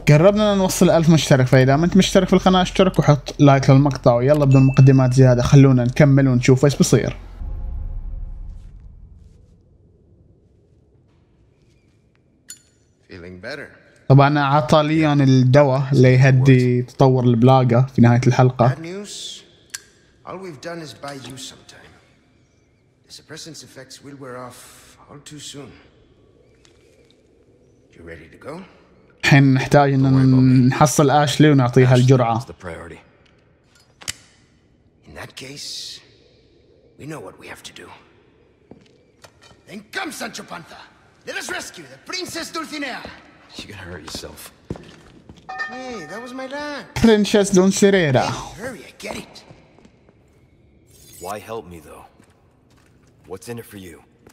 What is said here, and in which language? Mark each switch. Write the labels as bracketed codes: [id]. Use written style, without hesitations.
[ar] قربنا نوصل 1000 مشترك، فإذا ما انت مشترك في القناة اشترك وحط لايك للمقطع، ويلا بدون مقدمات زيادة خلونا نكمل ونشوف ايش بصير. [en] Feeling better. [ar] طبعا عطى لي عن الدواء اللي يهدي تطور البلاغة في نهاية الحلقة. [en] All we've done is buy you some time. The suppressant's effects will wear off all too soon. You ready to go? [ar] الحين نحتاج ان نحصل آشلي ونعطيها الجرعة. [en] In that case, we know what we have to do. Then come, Sancho Panza. Let us rescue the Princess Dulcinea. You gotta hurt yourself. Hey, that was my line. Princess Dulcinea. Hurry, I get it. Why help me, though? What's in it for you?